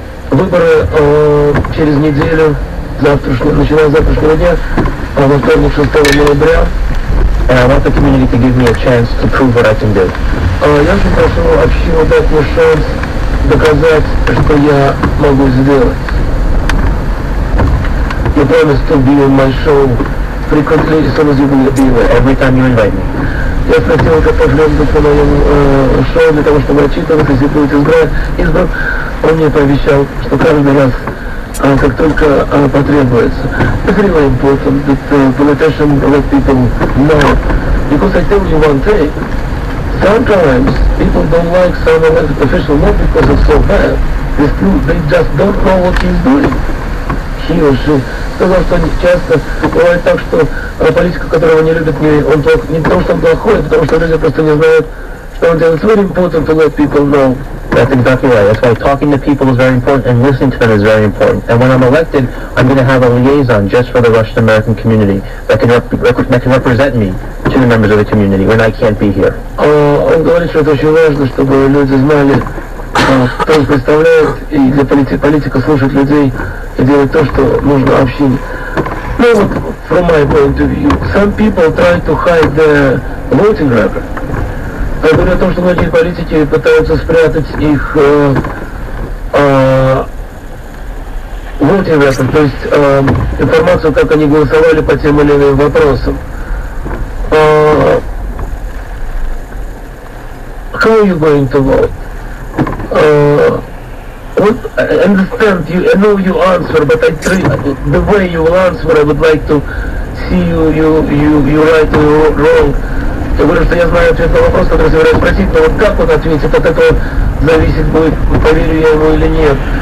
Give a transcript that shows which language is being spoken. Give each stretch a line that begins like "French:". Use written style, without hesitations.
Russian: Выборы через неделю, начиная с завтрашнего дня, во вторник 6 ноября.
English: And I want the community to give me a chance to prove what I can do.
Russian: Я очень прошу общину дать мне шанс доказать, что я могу сделать.
English: You promise to be on my show frequently, as soon as you will be there. Every time you invite me.
Russian: Я спросил, как можно быть на моем шоу, для того, чтобы отчитываться, если будет избран. Он мне пообещал, что каждый раз, как только потребуется.
English: It's really important that politicians let people know. Because I tell you one thing. Sometimes people don't like some elected official not because it's so bad. They just don't know what he's doing. He or she.
Russian: Сказал, что часто бывает так, что политика, которого не любят, он плох, не потому, что он плохой, а потому что люди просто не знают, что он делает.
English: It's very important to let people know. That's exactly right. That's why talking to people is very important and listening to them is very important. And when I'm elected, I'm going to have a liaison just for the Russian American community that can represent me to the members of the community when I can't be here.
Russian: Он говорит, что это очень важно, чтобы люди знали, кто их представляет, и для политика слушать людей и делать то, что нужно общине. Ну вот,
English: from my point of view, some people try to hide the voting record.
Russian: Я говорю о том, что многие политики пытаются спрятать их voting record, то есть информацию, как они голосовали по тем или иным вопросам.
English: How are you going to vote? What, I understand you, I know you answer, but the way you will answer, I would like to see you right or wrong.
Russian: Я говорю, что я знаю ответ на вопрос, который собираюсь спросить, но вот как он ответит, от этого зависит будет, поверю я ему или нет.